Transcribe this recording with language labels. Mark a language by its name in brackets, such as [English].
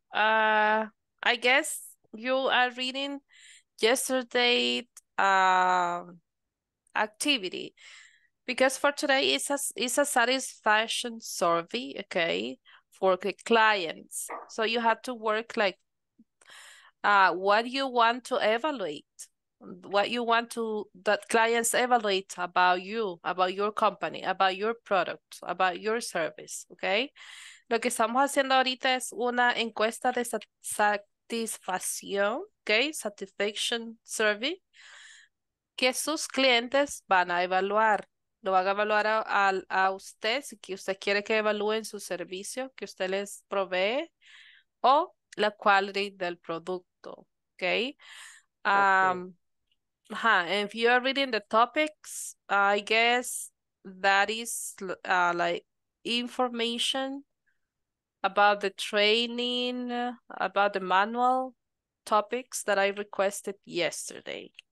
[English] I guess you are reading yesterday's activity, because for today it's a satisfaction survey, okay, for the clients. So you have to work like what you want to evaluate, what you want to that clients evaluate about you, about your company, about your product, about your service, okay. [Spanish] Lo que estamos haciendo ahorita es una encuesta de satisfacción, okay, satisfaction survey, que sus clientes van a evaluar. Lo van a evaluar a usted, si usted quiere que evalúen su servicio que usted les provee, o la quality del producto, okay. [English] If you are reading the topics, I guess that is like information about the training, about the manual topics that I requested yesterday.